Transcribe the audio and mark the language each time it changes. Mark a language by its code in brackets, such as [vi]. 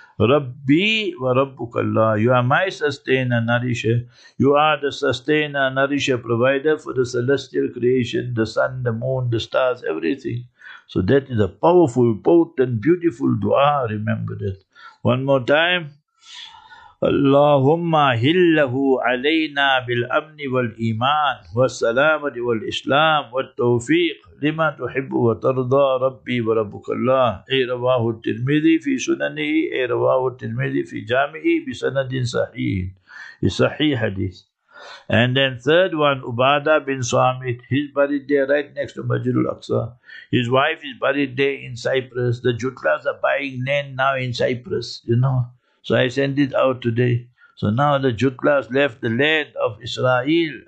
[en] Rabbi wa rabbukallah, you are my sustainer, nourisher. You are the sustainer, nourisher, provider for the celestial creation, the sun, the moon, the stars, everything. So that is a powerful, potent, beautiful dua, remember that. One more time. [ar] اللهم هله علينا بالأمن والإيمان والسلامة والإسلام والتوفيق لما تحب وترضى ربي وربك الله. أي رواه الترمذي في سننه، أي رواه الترمذي في جامعه بسند صحيح، صحيح حديث. [en] And then third one, Ubada bin Samit, he's buried there right next to Masjid al-Aqsa. His wife is buried there in Cyprus. The Jutlas are buying land now in Cyprus, you know. So I sent it out today. So now the Jutlas left the land of Israel.